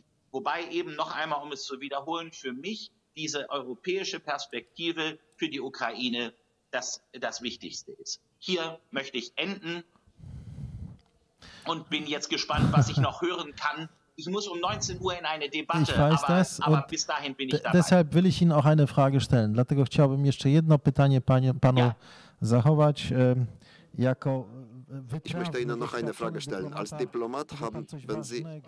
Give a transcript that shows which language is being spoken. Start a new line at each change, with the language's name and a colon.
German: Wobei eben noch einmal, um es zu wiederholen, für mich diese europäische Perspektive für die Ukraine das Wichtigste ist. Hier möchte ich enden und bin jetzt gespannt, was ich noch hören kann. Ich muss um 19 Uhr in eine Debatte, aber bis dahin bin ich dabei. Deshalb will ich Ihnen auch eine Frage stellen.
Polish: Dlatego chciałbym jeszcze jedno pytanie panu zachować jako...
German: Ich möchte Ihnen noch eine Frage stellen. Als Diplomat haben, wenn Sie...